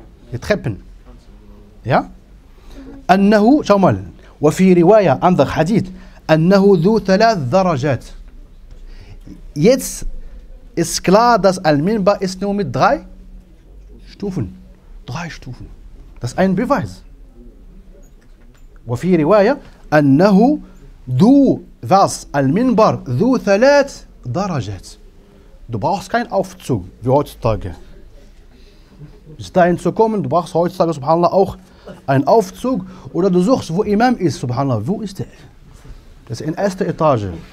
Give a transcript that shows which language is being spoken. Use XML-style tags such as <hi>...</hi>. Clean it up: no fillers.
<de>Die Treppen. Ja? Annahu, schau mal.</de> <ar>Wa fi riwaya, andach hadith. Annahu dhu thalath darajat.</ar> <de>Jetzt ist klar, dass Al-Minbar ist nur mit drei Stufen. Drei Stufen. Das ist ein Beweis.</de> <ar>وفي رواية أنه ذو was المنبر ذو ثلاث درجات.</ar> <de>Du brauchst keinen Aufzug wie heutzutage. Bis dahin zu kommen, du brauchst heutzutage, subhanallah, auch einen Aufzug. Oder du suchst, wo Imam ist, subhanallah. Wo ist der? Das ist in erster Etage.</de>